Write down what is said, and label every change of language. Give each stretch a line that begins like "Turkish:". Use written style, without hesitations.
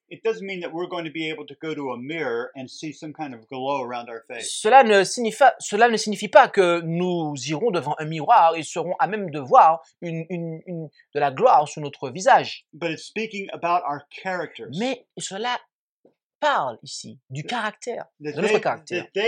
English: it doesn't mean that we're going to be able to go to a mirror and see some kind of glow around our face.
French: Cela ne signifie pas que nous irons devant un miroir et serons à même de voir une de la gloire sur notre visage.
English: But it's speaking about our characters.
French: Mais cela parle ici du caractère, de notre caractère.